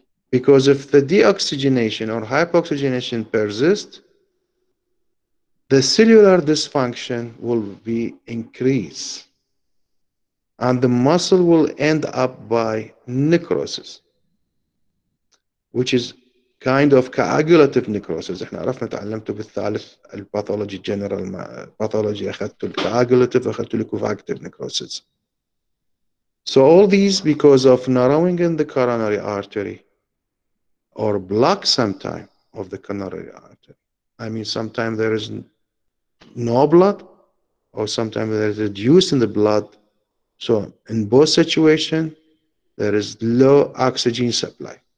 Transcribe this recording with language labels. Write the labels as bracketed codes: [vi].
[en] Because if the deoxygenation or hypoxygenation persists, the cellular dysfunction will be increased and the muscle will end up by necrosis, which is kind of coagulative necrosis. [ar] احنا عرفنا تعلمته بالثالث الباثولوجي جنرال باثولوجي اخذته coagulative اخذته liquefactive necrosis. [en] So all these because of narrowing in the coronary artery or block sometime of the coronary artery. I mean sometimes there is no blood or sometimes there is reduced in the blood. So in both situations there is low oxygen supply.